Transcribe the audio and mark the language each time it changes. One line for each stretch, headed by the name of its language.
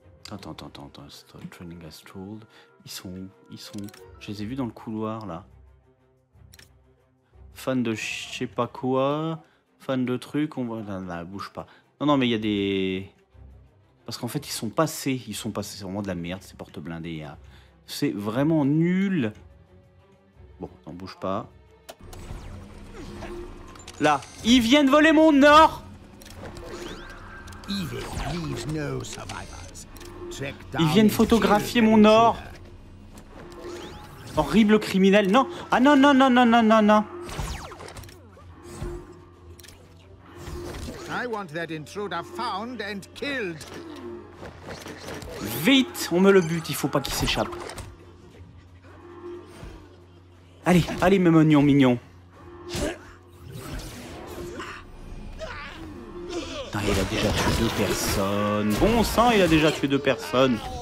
English: Attends, training has stalled.
French: Ils sont où? Je les ai vus dans le couloir, là. Fan de je sais pas quoi, fan de trucs, on va... Là, bouge pas. Non, mais il y a des... Parce qu'en fait, ils sont passés. C'est vraiment de la merde, ces portes blindées. Hein. C'est vraiment nul. Bon, non, bouge pas. Là, ils viennent voler mon or.
English: Evil leaves no survivor.
French: Ils viennent photographier mon or. Horrible criminel. Non. Ah non, non, non, non, non, non, non.
English: I want that intruder found and killed.
French: Vite, on me le bute, il faut pas qu'il s'échappe. Allez, mes oignons mignons. Il a déjà tué deux personnes. Bon sang, il a déjà tué deux personnes.